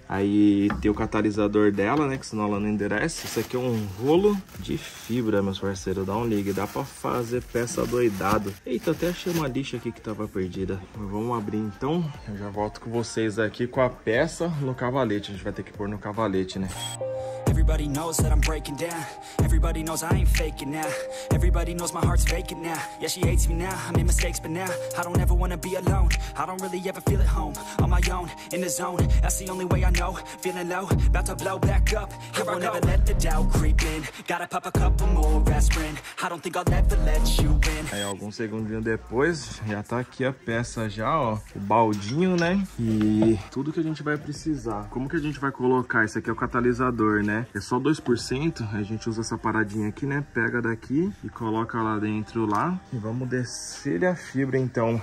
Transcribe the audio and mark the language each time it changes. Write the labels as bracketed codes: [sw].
[pt] Aí tem o catalisador dela, né? Que senão ela não endurece. Isso aqui é um rolo de fibra, meus parceiros. Dá um ligue. Dá pra fazer peça doidado. Eita, até achei uma lixa aqui que tava perdida. Mas vamos abrir, então. Eu já volto com vocês aqui com a peça no cavalete. A gente vai ter que pôr no cavalete, né? [en] Everybody knows that I'm breaking down. Everybody knows I ain't faking now. Everybody knows my heart's faking now. Yeah, she hates me now. I made mistakes, but now I don't ever wanna be alone. I don't really ever feel at home. On my own, in the zone. That's the only way I know. Feeling low, about to blow back up. Here I won't ever let the doubt creep in. Gotta pop a couple more aspirin. I don't think I'll ever let you win. [pt] Aí, alguns segundinhos depois, já tá aqui a peça já, ó. O baldinho, né? E tudo que a gente vai precisar. Como que a gente vai colocar? Esse aqui é o catalisador, né? É só 2%, a gente usa essa paradinha aqui, né? Pega daqui e coloca lá dentro lá. E vamos descer a fibra, então.